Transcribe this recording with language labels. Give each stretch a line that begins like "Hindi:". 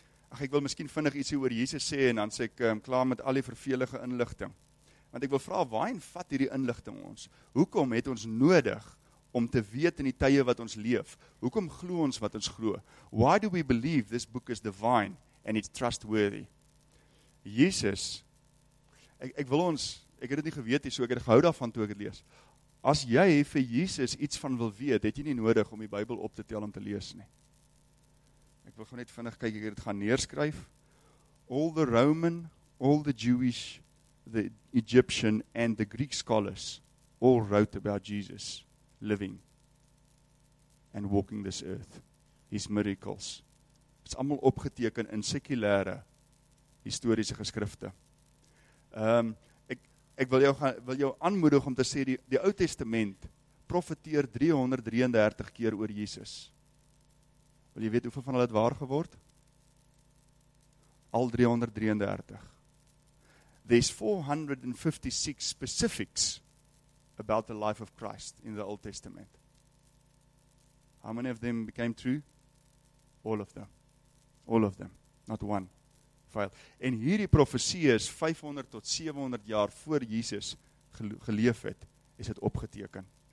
Afrikaans: Ach, ek wil miskien vinnig iets oor Jesus sê, en dan sê ek klaar met al die vervelige inligting. Want ek wil vra, waarin vat hierdie inligting ons? Hoekom het ons nodig om te weet in die tye wat ons leef? Hoekom glo ons wat ons glo?
English: Why do we believe this book is divine and it's trustworthy?
Afrikaans: Jesus, ek het dit nie geweet nie, so ek het gehou daarvan toe ek het lees. As jy vir Jesus iets van wil weet, het jy nie nodig om die Bybel op te tel om te lees nie. Ek wil gewoon net vinnig kyk, ek het dit gaan neerskryf.
English: All the Roman, all the Jewish, the Egyptian and the Greek scholars all wrote about Jesus living and walking this earth, his miracles.
Afrikaans: Dit is allemaal opgeteken in sekulêre historiese geskrifte. Ek wil jou aanmoedig om te sê, die Ou Testament profeteer 333 keer oor Jesus. Wil jy weet hoeveel van hulle het waar geword? Al 333.
English: There's 456 specifics about the life of Christ in the Old Testament. How many of them became true? All of them. All of them. Not one. Failed.
Afrikaans: En hierdie profesie is 500 tot 700 jaar voor Jesus geleef het, is het opgeteken.